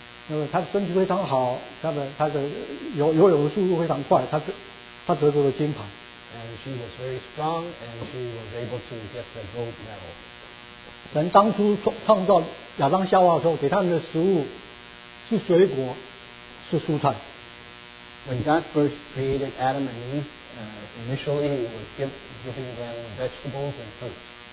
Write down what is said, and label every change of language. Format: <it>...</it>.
<zh>因为他身体非常好，他的游泳的速度非常快，他得到了金牌。</zh> <en>And she was very strong, and she was able to get the gold medal.</en> <zh>神当初创造亚当夏娃的时候，给他们的食物是水果，是蔬菜。</zh> <en>When God first created Adam and Eve, initially He was giving them vegetables and fruits.</en>